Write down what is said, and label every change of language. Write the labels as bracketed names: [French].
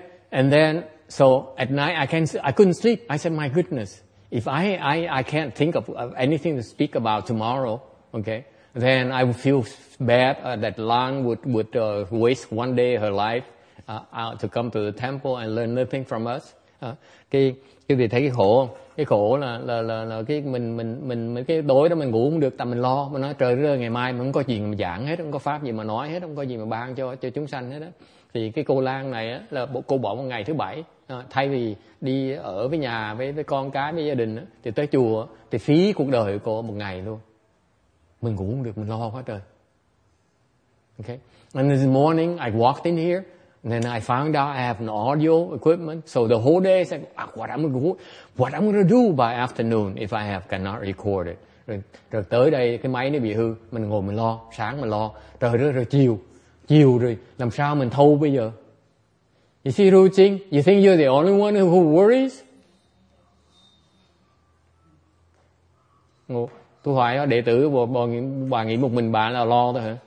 [English] And then, so at night I couldn't sleep. I said, my goodness, if I can't think of anything to speak about tomorrow, okay, then I would feel bad that Lan would waste one day of her life to come to the temple and learn nothing from us. [Vietnamese] Cái gì thấy cái khổ không? Cái khổ là cái mình cái tối đó mình ngủ không được, tại mình lo, mình nói trời ơi ngày mai mình không có chuyện mà giảng hết, không có pháp gì mà nói hết, không có gì mà ban cho chúng sanh hết á. Thì cái cô Lan này á, là cô bỏ một ngày thứ bảy, thay vì đi ở với nhà với con cái với gia đình á, thì tới chùa thì phí cuộc đời của cô một ngày luôn. Mình ngủ không được, mình lo quá trời. [English] Okay. And this morning I walked in here. Then I found out I have an audio equipment. So the whole day I said, what I'm going to do by afternoon if I have cannot record it. [Vietnamese] Rồi tới đây cái máy nó bị hư, mình ngồi mình lo, sáng mình lo, trời đất rồi chiều rồi làm sao mình thâu bây giờ. [English] You see, Ruching, you think you're the only one who worries? [Vietnamese] Tôi hỏi đệ tử, bà nghĩ một mình bà là lo thôi hả?